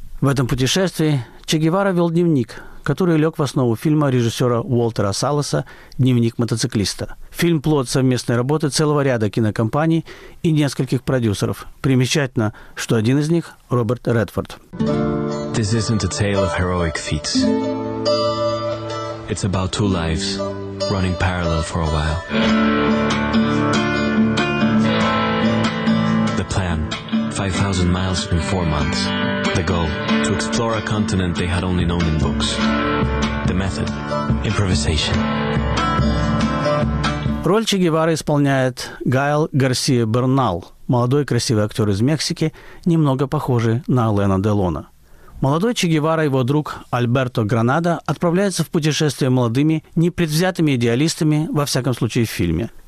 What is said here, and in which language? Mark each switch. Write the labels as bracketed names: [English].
[Russian] В этом путешествии Че Гевара вел дневник, который лег в основу фильма режиссера Уолтера Салоса «Дневник мотоциклиста». Фильм – плод совместной работы целого ряда кинокомпаний и нескольких продюсеров. Примечательно, что один из них – Роберт Редфорд. [English] This isn't a tale of heroic feats. It's about two lives running parallel for a while. The plan – 5,000 miles in 4 months. The goal – to explore a continent they had only known in books. The method – improvisation. [Russian] Роль Че Гевары исполняет Гаэль Гарсия Бернал, молодой красивый актер из Мексики, немного похожий на Алена Делона. Молодой Че Гевара и его друг Альберто Гранада отправляются в путешествие молодыми, непредвзятыми идеалистами, во всяком случае в фильме.